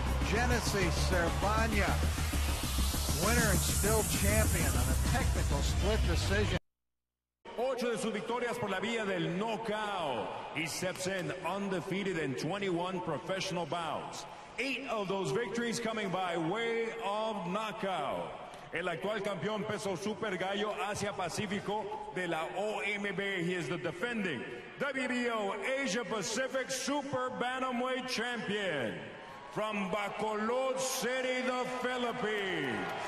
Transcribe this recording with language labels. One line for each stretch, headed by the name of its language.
English: Genesis Cervania, winner and still champion on a technical split decision.
Spanish: Ocho de sus victorias por la vía del knockout.
English: He steps in undefeated in 21 professional bouts. Eight of those victories coming by way of knockout.
Spanish: El actual campeón peso super gallo Asia Pacífico de la OMB.
English: He is the defending WBO Asia Pacific Super Bantamweight Champion from Bacolod City, the Philippines.